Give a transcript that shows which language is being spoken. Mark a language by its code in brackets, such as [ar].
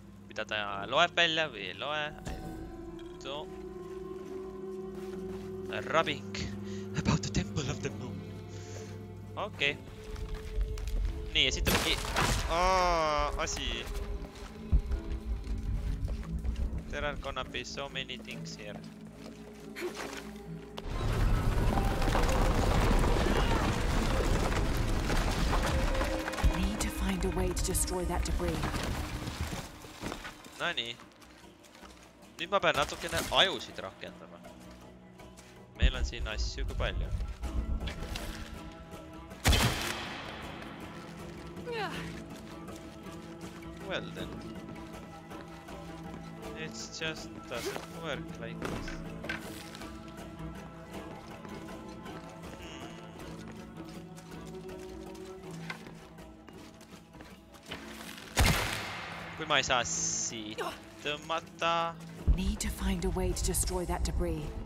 [et] Mida ta loeb välja või ei loe. [en] So. Rubbing about the temple of the moon. Okei. [et] Nii, ja siit on mingi asi. [en] There are gonna be so many things here. Need to find a way to destroy that debris. [et] No nii. Nüüd ma pean natukene ajusid rakendama. Meil on siin asju kui palju. [en] Well then. It just doesn't work like this. [et] Kui ma ei saa siit tõmmata. [en] Need to find a way to destroy that debris.